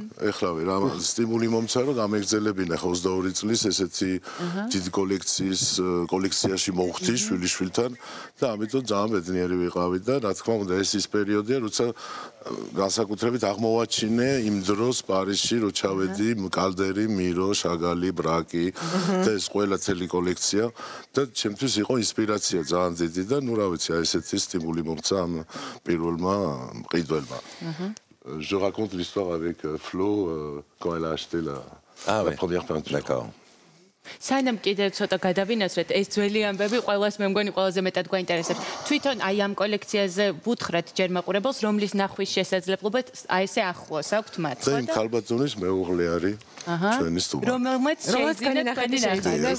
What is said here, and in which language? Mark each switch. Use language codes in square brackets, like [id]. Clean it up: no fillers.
[ka] ეხლავე, რა სტიმული მომცა რომ გამეგრძელებინა 22 წლის ესეთი დიდ კოლექციაში მოვხდი შვილიშვილთან და ამიტომ ძალიან ბედნიერი ვიყავი და რა თქმა უნდა, ეს ის პერიოდია, როცა განსაკუთრებით აღმოვაჩინე იმ დროს პარიზში, რო ჩავედი კალდერი, მირო, შაგალი, ბრაკი და ეს ყველა ძელი კოლექცია და ჩემთვის იყო ინსპირაცია ძალიან დიდი და ნუ რა ვიცი, აი ესეთი სტიმული მომცა ამ პირველმა მყიდველმა. [fr] Je raconte l'histoire avec Flo quand elle a acheté la première peinture. D'accord. [ka] სანამ კიდევ ცოტა გადავინაცვლეთ ეს ძველი ამბები, ყველას მე მგონი ყველაზე მეტად გვაინტერესებს. თვითონ აი ამ კოლექციაზე ვუთხრათ ჯერ მაყურებელს, რომლის ნახვის შესაძლებლობა აი ესე ახლოს აქვთ მათ. ხო და იმ ქალბატონის მეუღლე არის ჩვენი სტუმარი. რომელმაც შეიძლება ნახვის შეგვიძლია